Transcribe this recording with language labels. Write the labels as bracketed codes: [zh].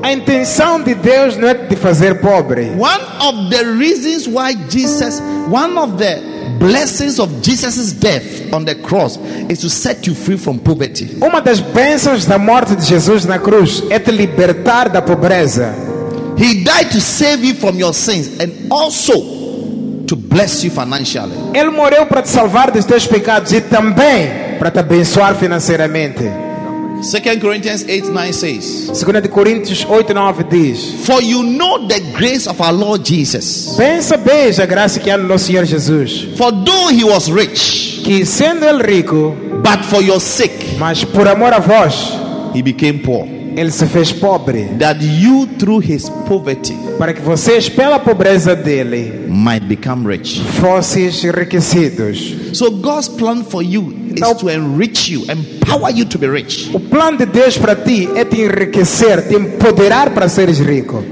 [pt] A intenção de Deus não é te fazer pobre. [en] One of the reasons why Jesus, one of the blessings of Jesus' death on the cross is to set you free from poverty. [pt] Uma das bênçãos da morte de Jesus na cruz é te libertar da pobreza. [en] He died to save you from your sins and also to bless you financially. [pt] Ele morreu para te salvar dos teus pecados e também para te abençoar financeiramente. [en] Second Corinthians 8:9 says. [pt] Segunda de Coríntios 8:9 diz. [en] For you know the grace of our Lord Jesus. [pt] Bem sabeis a graça que há no nosso Senhor Jesus. [en] For though he was rich. [pt] Que sendo ele rico. [en] But for your sake. [pt] Mas por amor a vós. [en] He became poor. [pt] Ele se fez pobre. [en] That you through his poverty. [pt] Para que vocês pela pobreza dele. [en] Might become rich. [pt] Fosseis enriquecidos. [en] So God's plan for you is to enrich you, empower you to be rich. [pt] O plano de Deus para ti é te enriquecer, te empoderar para seres rico.